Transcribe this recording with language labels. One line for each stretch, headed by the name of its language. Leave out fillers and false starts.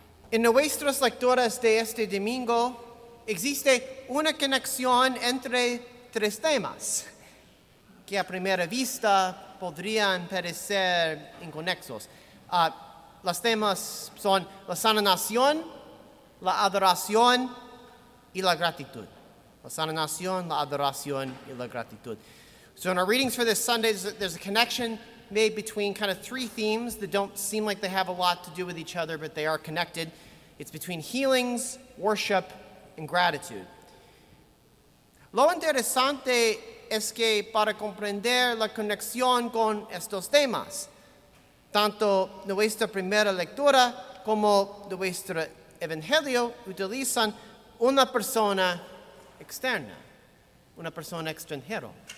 Spanish: En nuestras lecturas de este domingo, existe una conexión entre tres temas que a primera vista podrían parecer inconexos. Los temas son la sanación, la adoración y la gratitud. La sanación, la adoración y la gratitud.
English: So in our readings for this Sunday, there's a connection made between kind of three themes that don't seem like they have a lot to do with each other, but they are connected. It's between healings, worship, and gratitude.
Spanish: Lo interesante es que para comprender la conexión con estos temas, tanto nuestra primera lectura como nuestro evangelio utilizan una persona externa, una persona extranjera.